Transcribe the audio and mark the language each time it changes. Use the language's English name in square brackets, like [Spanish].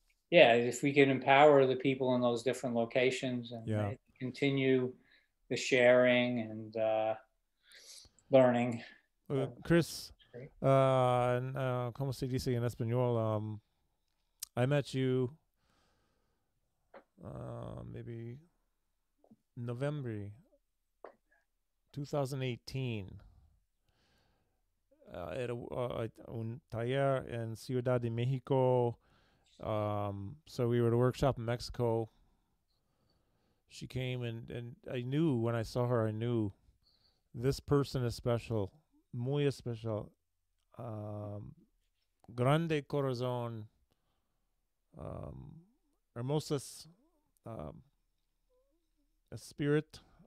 [English] yeah, if we can empower the people in those different locations and continue the sharing and learning. [Spanish] Chris, ¿cómo se dice en español? [English] I met you maybe November 2018. [Spanish] At un taller en Ciudad de México. [English] So we were at a workshop in Mexico. She came and I knew when I saw her, I knew this person is special, [Spanish] muy especial. Grande corazón, hermosas, [English] a spirit.